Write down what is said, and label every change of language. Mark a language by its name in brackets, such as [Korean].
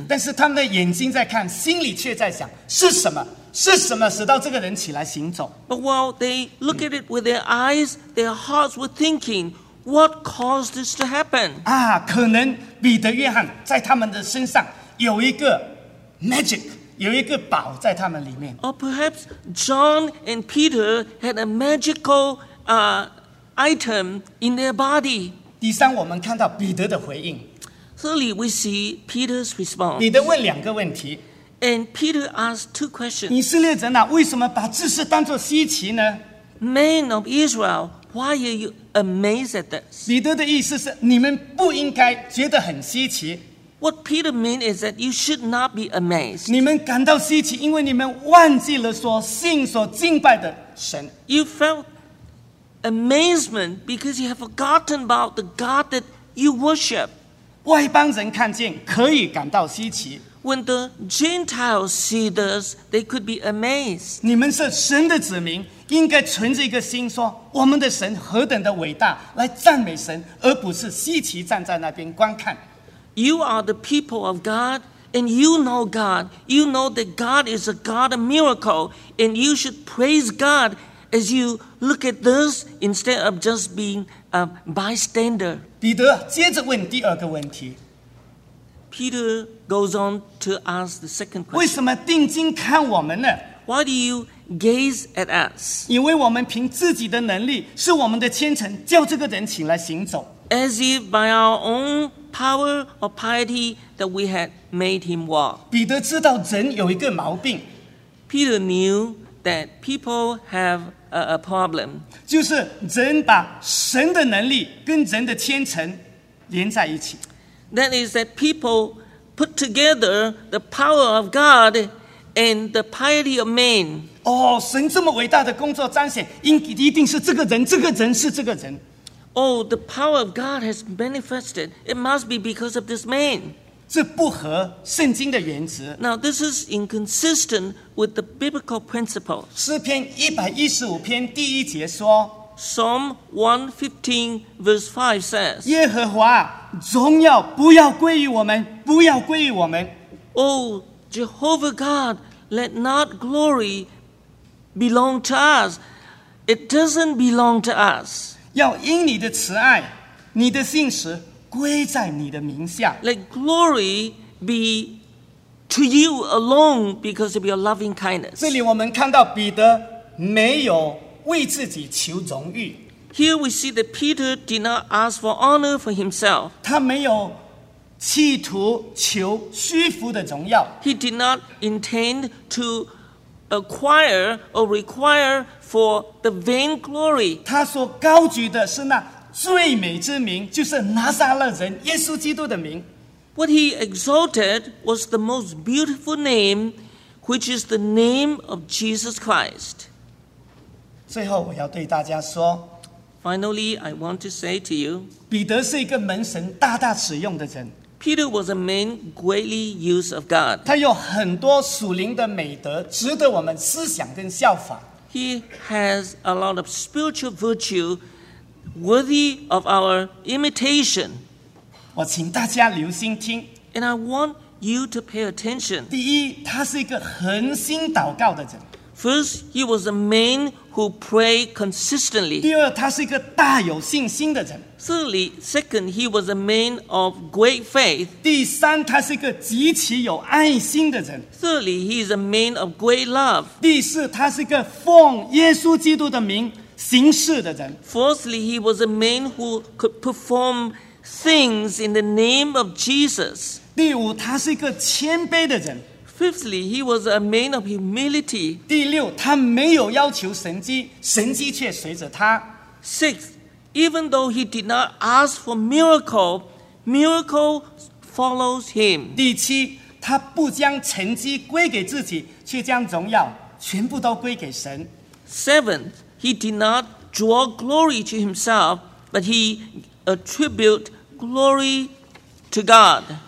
[Chinese] 但是他们的眼睛在看，心里却在想，是什么？是什么使到这个人起来行走？ [English] But while they look at it with their eyes, their hearts were thinking, what caused this to happen? [Chinese] 啊，可能彼得、约翰在他们的身上有一个 magic。有一个宝在他们里面。 [English] Or perhaps John and Peter had a magical item in their body. [Chinese] 第三，我们看到彼得的回应。 [English] Thirdly, we see Peter's response. [Chinese] 彼得问两个问题。 [English] And Peter asked two questions. [Chinese] 以色列人啊，为什么把这事当作稀奇呢？ [English] Men of Israel, why are you amazed at this? [Chinese] 彼得的意思是，你们不应该觉得很稀奇。 [English] What Peter means is that you should not be amazed. [Chinese] 你们感到稀奇，因为你们忘记了所信、所敬拜的神。 [English] You felt amazement because you have forgotten about the God that you worship. [Chinese] 外邦人看见可以感到稀奇。 [English] When the Gentiles see this, they could be amazed. [Chinese] 你们是神的子民，应该存着一个心说，我们的神何等的伟大，来赞美神，而不是稀奇站在那边观看。 [English] You are the people of God, and you know God. You know that God is a God of miracle, and you should praise God as you look at this instead of just being a bystander. [Chinese] 彼得接着问第二个问题。 [English] Peter goes on to ask the second question. [Chinese] 为什么定睛看我们呢？ [English] Why do you gaze at us? [Chinese] 因为我们凭自己的能力，是我们的虔诚，叫这个人起来行走。 [English] As if by our own power or piety that we had made him walk. [Chinese] 彼得知道人有一个毛病。 [English] Peter knew that people have a problem. [Chinese] 就是人把神的能力跟人的虔诚连在一起。 [English] That is that people put together the power of God and the piety of man. [Chinese] 哦，神这么伟大的工作彰显，一定是这个人，这个人是这个人。 [English] Oh, the power of God has manifested. It must be because of this man. [Chinese] 这不合圣经的原则。 [English] Now, this is inconsistent with the biblical principle. [Chinese] 诗篇115篇第一节说， [English] Psalm 115 verse 5 says, [Chinese] 耶和华，荣耀不要归于我们，不要归于我们。 [English] Oh, Jehovah God, let not glory belong to us. It doesn't belong to us. [Chinese] 要因你的慈爱，你的信实归在你的名下。 [English] Let glory be to you alone because of your loving kindness. [Chinese] 这里我们看到彼得没有为自己求荣誉。 [English] Here we see that Peter did not ask for honor for himself. [Chinese] 他没有企图求虚浮的荣耀。 [English] He did not intend to acquire or require for the vain glory. [Chinese] 他所高举的是那最美之名，就是拿撒勒人耶稣基督的名。 [English] What he exalted was the most beautiful name, which is the name of Jesus Christ. [Chinese] 最后我要对大家说， [English] Finally, I want to say to you, [Chinese] 彼得是一个蒙神大大使用的人。 [English] Peter was a man greatly used of God. [Chinese] 他有很多属灵的美德，值得我们思想跟效法。 [English] He has a lot of spiritual virtue worthy of our imitation. [Chinese] 我请大家留心听。 [English] And I want you to pay attention. [Chinese] 第一，他是一个恒心祷告的人。 [English] First, he was a man who prayed consistently. [Chinese] 第二，他是一个大有信心的人。 [English] Thirdly, second, he was a man of great faith. [Chinese] 第三，他是一个极其有爱心的人。 [English] Thirdly, he is a man of great love. [Chinese] 第四，他是一个奉耶稣基督的名行事的人。 [English] Fourthly, he was a man who could perform things in the name of Jesus. [Chinese] 第五，他是一个谦卑的人。 [English] Fifthly, he was a man of humility. [Chinese] 第六，他没有要求神迹，神迹却随着他。 [English] Sixth, even though he did not ask for miracle, miracle follows him. [Chinese] 第七，他不将成绩归给自己，却将荣耀全部都归给神。 [English] Seventh, he did not draw glory to himself, but he attribute glory to God.